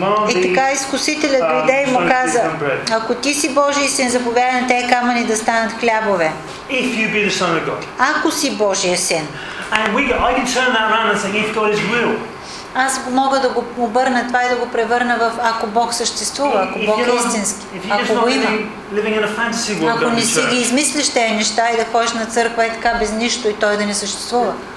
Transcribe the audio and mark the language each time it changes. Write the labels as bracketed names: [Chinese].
[Bulgarian] И така изкусителят дойде и му каза: ако ти си Божий син, заповядай на тези камъни да станат хлябове. [English] If you be the son of God. [Bulgarian] Ако си Божия син. [English] I can turn that around and say if God is real. [Bulgarian] Аз мога да го обърна това и да го превърна в ако Бог съществува, ако Бог е истински, ако го има. Ако не си ги измислиш тези неща и да ходиш на църква и така без нищо и той да не съществува.